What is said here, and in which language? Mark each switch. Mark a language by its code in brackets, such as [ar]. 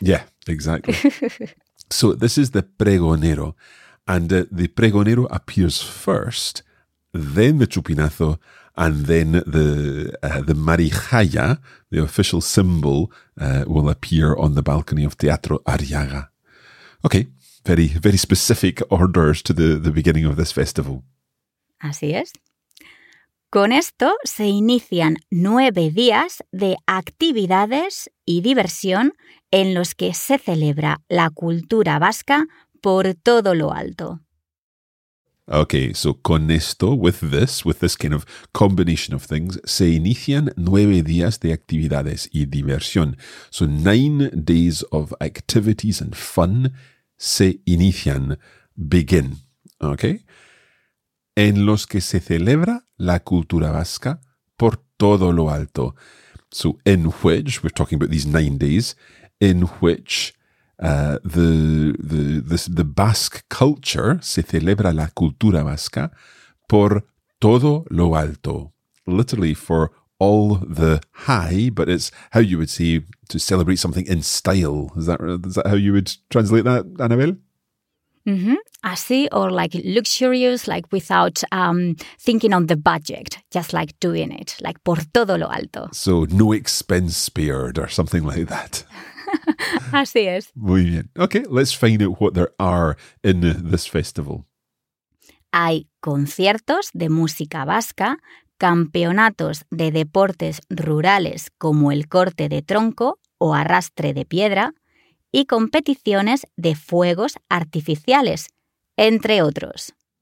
[en] Yeah, exactly. So this is the pregonero, and the pregonero appears first, then the chupinazo, and then the marijaya, the official symbol, will appear on the balcony of Teatro Arriaga. Okay, very, very specific orders to the beginning of this festival. [es] Así es. Con esto se inician 9 días de actividades y diversión en los que se celebra la cultura vasca por todo lo alto. [en] Okay, so [es] con esto, [en] with this kind of combination of things, [es] se inician 9 días de actividades y diversión. [en] So 9 days of activities and fun [es] se inician, [en] begin. Okay? [es] En los que se celebra la cultura vasca por todo lo alto. [en] So in which, we're talking about these 9 days, in which the Basque culture [es] se celebra la cultura vasca por todo lo alto, [en] literally for all the hay, but it's how you would say to celebrate something in style. Is that how you would translate that, Annabelle? Mm-hmm. Así, or like luxurious, like without thinking on the budget, just like doing it, like [es] por todo lo alto. [en] So no expense spared or something like that. [es] Así es. Muy bien. [en] Okay, let's find out what there are in this festival. [es] Hay conciertos de música vasca, campeonatos de deportes rurales como el corte de tronco o arrastre de piedra, y competiciones de fuegos artificiales, entre otros.